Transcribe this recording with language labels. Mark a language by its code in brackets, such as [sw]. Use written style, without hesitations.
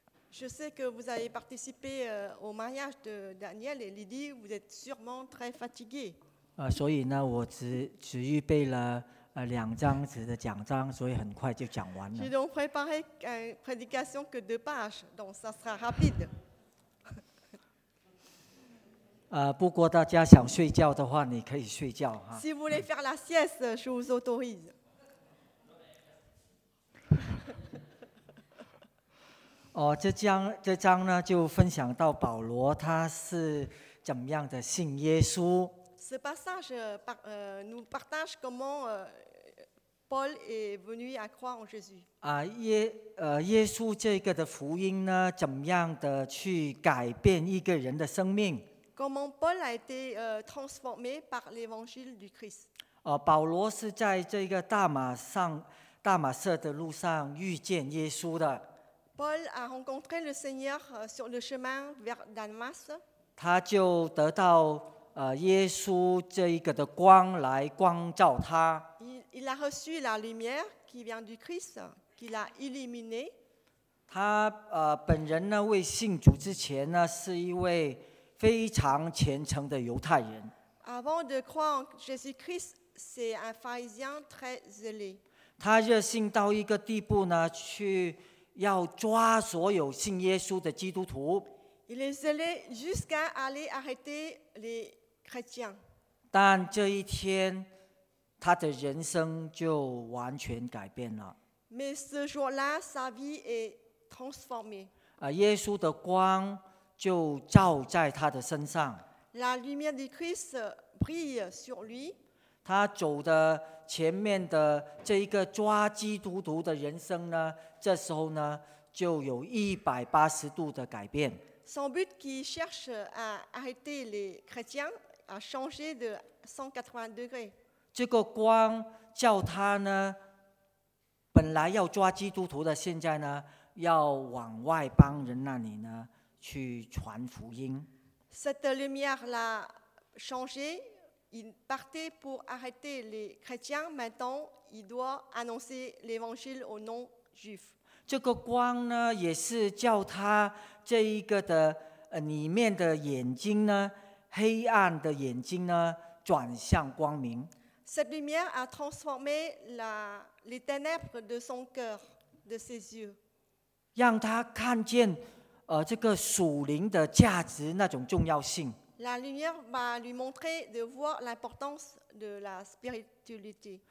[fr] Je sais que vous avez participé au mariage de Daniel et Lily. Vous êtes sûrement très fatigués. [zh] 所以呢，我只预备了两张纸的讲章，所以很快就讲完了。 [fr] J'ai donc préparé une prédication que deux pages, donc ça sera rapide. [zh] 不过大家想睡觉的话，你可以睡觉哈。 [fr] Si vous voulez faire la sieste, je vous autorise. [zh] 哦，这章呢，就分享到保罗他是怎么样的信耶稣。 [fr] Ce passage nous partage comment Paul est venu à croire en Jésus. [zh] 耶稣这个的福音呢，怎么样的去改变一个人的生命 [fr] ？Comment Paul a été transformé par l'évangile du Christ？ [zh] 保罗是在这个大马色的路上遇见耶稣的。 [fr] Paul a rencontré le Seigneur sur le chemin vers Damas. [zh] 他就得到耶稣这一个的光来光照他。 [fr] Il a reçu la lumière qui vient du Christ, qui l'a illuminé. [zh] 他本人呢，未信主之前呢，是一位非常虔诚的犹太人。 [fr] Avant de croire en Jésus-Christ, c'est un pharisien très zélé. [zh] 他热心到一个地步呢，去要抓所有信耶稣的基督徒。 [fr] Il est zélé jusqu'à aller arrêter les chrétiens. [zh] 但这一天，他的人生就完全改变了。 [fr] Mais ce jour-là, sa vie est transformée. [zh] 耶稣的光就照在他的身上。 [fr] La lumière de Christ brille sur lui. [zh] 他走的前面的这一个抓基督徒的人生呢，这时候呢，就有180度的改变。 [fr] Son but qui cherche à arrêter les chrétiens a changé de 180 degrés. [zh] 这个光叫他呢，本来要抓基督徒的，现在呢，要往外邦人那里呢去传福音。 [fr] Cette lumière l'a changé. Il partait pour arrêter les chrétiens. Maintenant, il doit annoncer l'évangile aux non-juifs. [zh] 这个光呢，也是叫他这一个的里面的眼睛呢，黑暗的眼睛呢，转向光明。 [fr] Cette lumière a transformé les ténèbres de son cœur, de ses yeux. [zh] 让他看见这个属灵的价值那种重要性。 [fr] La lumière va lui montrer de voir l'importance de la spiritualité.